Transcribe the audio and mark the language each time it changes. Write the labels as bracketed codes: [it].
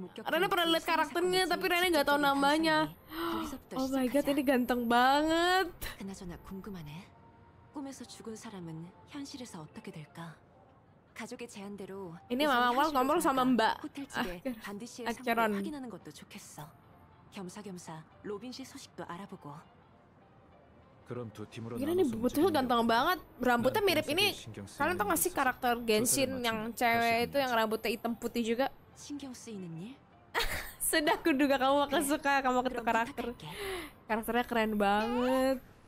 [id] Rene pernah lihat karakternya tapi Rene enggak tahu namanya. [en] Oh my god, [id] ini ganteng banget. [ko] 그나저나 궁금하네. 꿈에서 죽은 사람은 현실에서 어떻게 될까? 가족의 제안대로 이네 마마 와 넘버 3번 바. 호텔 측에 반드시 확인하는 것도 좋겠어. 겸사겸사 로빈 씨 소식도 알아보고. 그럼 두 팀으로 나눠서. 이런 부츠 [id] ganteng banget. Rambutnya mirip ini. Kalian tau gak sih karakter Genshin yang cewek itu yang rambutnya hitam putih juga? [ko] 신경 쓰이는 일? [id] Sudah kuduga kamu akan suka, kamu akan tukar karakter. Karakternya keren banget.